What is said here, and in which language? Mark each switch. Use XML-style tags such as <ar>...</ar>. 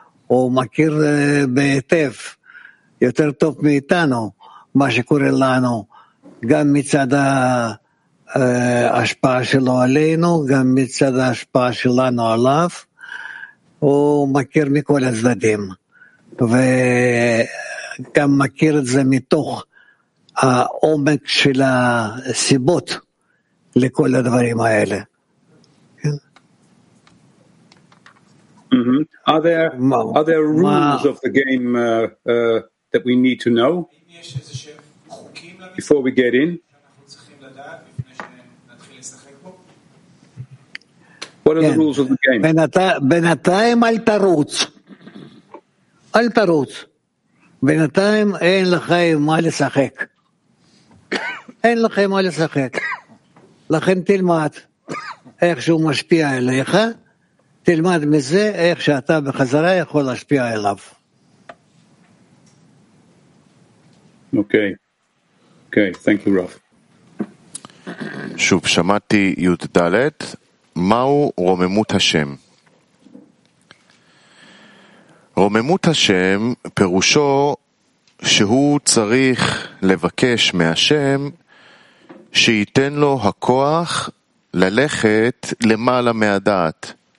<he>הוא מכיר בהיטב, יותר טוב מאיתנו, מה שקורה לנו, גם מצד ההשפעה שלו עלינו, גם מצד ההשפעה שלנו עליו. הוא מכיר מכל הצדדים, וגם מכיר את זה מתוך העומק של הסיבות לכל הדברים האלה.</he> <en>Are there rules of the game that we need to know before we get in? What are the rules of the game?</en> <he>בינתיים אל תרוץ. אל תרוץ. בינתיים אין לכם מה לשחק. אין לכם מה לשחק. לכן תלמד איך שהוא משפיע עליך. תלמד מזה איך שאתה בחזרה יכול להשפיע אליו. אוקיי.</he> <en>אוקיי, thank you, Rav.</en> <he>שוב, שמעתי י' ד' מהו רוממות השם? רוממות השם פירושו שהוא צריך לבקש מהשם שייתן לו הכוח ללכת למעלה מהדעת.</he>